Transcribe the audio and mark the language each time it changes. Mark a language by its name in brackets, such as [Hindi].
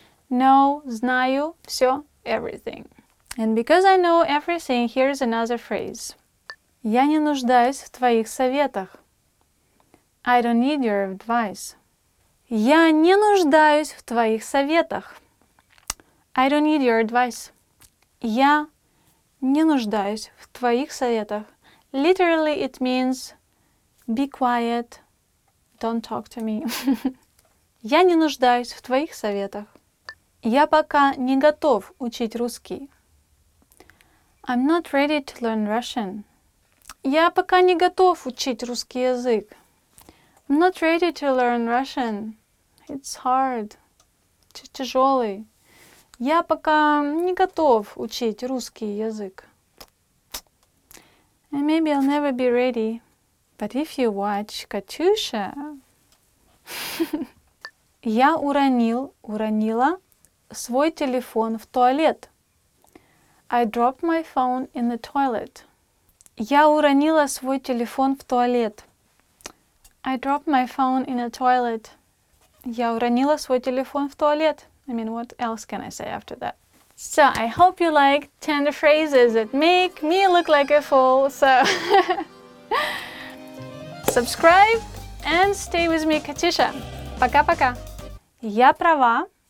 [English] Know, [Russian] знаю, все, [English] everything. And because I know everything, here's another phrase. [Russian] Я не нуждаюсь в твоих советах. [English] I don't need your advice. [Russian] Я не нуждаюсь в твоих советах. [English] I don't need your advice. [Russian] Я не нуждаюсь в твоих советах. [English] Literally, it means be quiet, don't talk to me. [Russian] Я не нуждаюсь в твоих советах. Я пока не готов учить русский. [English] I'm not ready to learn Russian. [Russian] Я пока не готов учить русский язык. [English] I'm not ready to learn Russian. It's hard. [Russian] Тяжелый. Я пока не готов учить русский язык. [English] And maybe I'll never be ready. But if you watch Katyusha... [Russian] Я уронила свой телефон в туалет. [English] I dropped my phone in the toilet. [Russian] Я уронила свой телефон в туалет. [English] I dropped my phone in a toilet. [Russian] Я уронила свой телефон в туалет. [English] I mean, what else can I say after that? So, I hope you like 10 phrases that make me look like a fool. So, subscribe and stay with me, Катюша. [Russian] Пока-пока. Я права.